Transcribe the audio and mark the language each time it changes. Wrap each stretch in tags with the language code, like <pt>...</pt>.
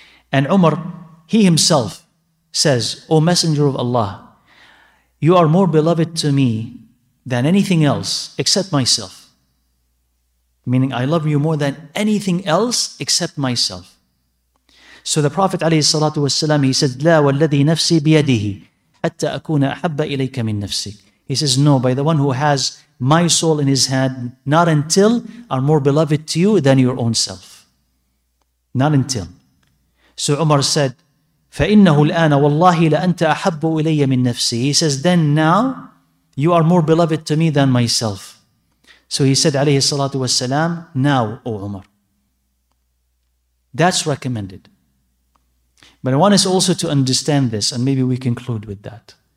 <en>And Umar, he himself says, O Messenger of Allah, you are more beloved to me than anything else except myself. Meaning, I love you more than anything else except myself. So the Prophet</en> <ar>عليه الصلاة والسلام,</ar> <en>he said,</en> <ar>لا والذي نفسي بيده حتى أكون أحب إليك من نفسك.</ar> <en>He says, no, by the one who has my soul in his hand, not until I'm more beloved to you than your own self. Not until. So Umar said,</en> <ar>فإنه الآن والله لأنت أحب إلي من نفسي.</ar> <en>He says, then now, you are more beloved to me than myself. So he said, عليه الصلاة والسلام, now, O Umar. That's recommended. But I want us also to understand this, and maybe we conclude with that.</en>